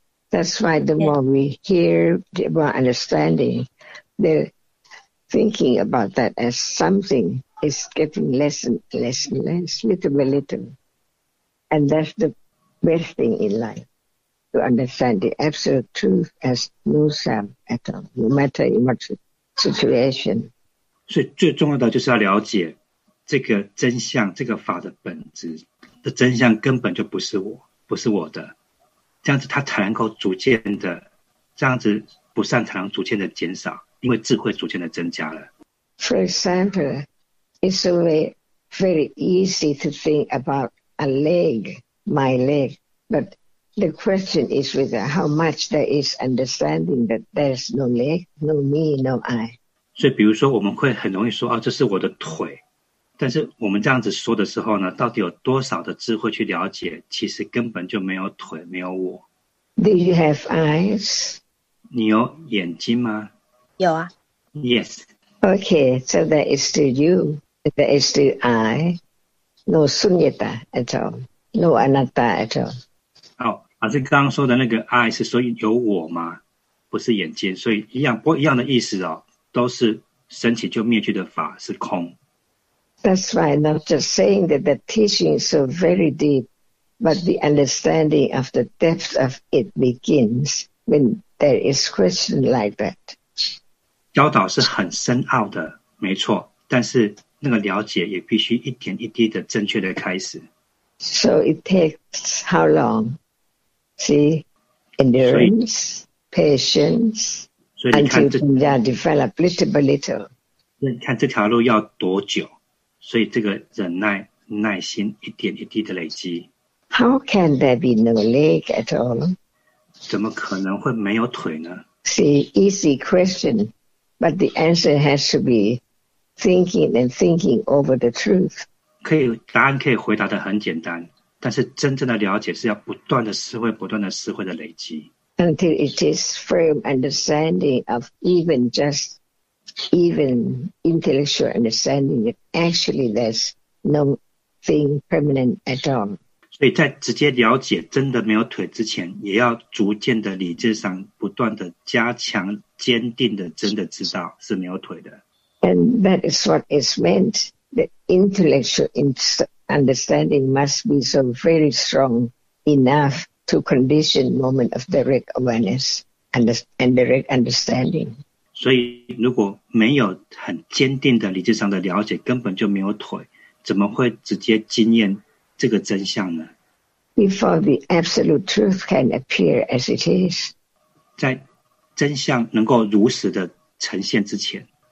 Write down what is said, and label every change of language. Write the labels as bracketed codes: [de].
[en] That's why the more we hear, the more understanding, the thinking about that as something is getting less and less and less, little by little. And that's the best thing in life, to understand the absolute truth as no self at all, no matter in what situation. [zh] 所以最重要的就是要了解这个真相，这个法的本质的真相根本就不是我，不是我的。这样子它才能够逐渐的，这样子不善才能逐渐的减少。因为智慧逐渐的增加了。 [en] For example, it's a way very easy to think about a leg, my leg. But the question is with how much there is understanding that there's no leg, no me, no I. [zh] 所以比如说我们会很容易说啊，这是我的腿。但是我们这样子说的时候呢，到底有多少的智慧去了解其实根本就没有腿，没有我。 [en] Do you have eyes? [zh] 你有眼睛吗？有啊。 [en] Yes. Okay, so there is still you, there is still I, no sunyata at all, no anatta at all. [zh] 好，老师刚刚说的那个 I 是说有我吗？不是眼睛，所以一样，不一样的意思哦，都是升起就灭去的法是空。 [en] That's why I'm not just saying that the teaching is so very deep, but the understanding of the depth of it begins when there is question like that. [zh] 教导是很深奥的，没错，但是那个了解也必须一点一滴的正确的开始。 [en] So it takes how long? See, endurance, patience, until you can develop little by little. [zh] 看这条路要多久？所以这个忍耐、耐心一点一滴的累积。 [en] How can there be no leg at all? [zh] 怎么可能会没有腿呢？ [en] See, easy question, but the answer has to be thinking and thinking over the truth. [zh] 可以，答案可以回答得很简单，但是真正的了解是要不断的思会、不断的思会的累积。 [en] Until it is firm understanding of even just even intellectual understanding that actually there's nothing permanent at all. [zh] 所以在直接了解真的没有腿之前，也要逐渐的理智上不断的加强坚定的真的知道是没有腿的。 [en] And that is what is meant, the intellectual understanding must be so very strong enough to condition moment of direct awareness and direct understanding. [zh] 所以如果没有很坚定的理智上的了解，根本就没有腿，怎么会直接经验这个真相呢？ [en] Before the absolute truth can appear as it is, [zh] 在真相能够如实的呈现之前，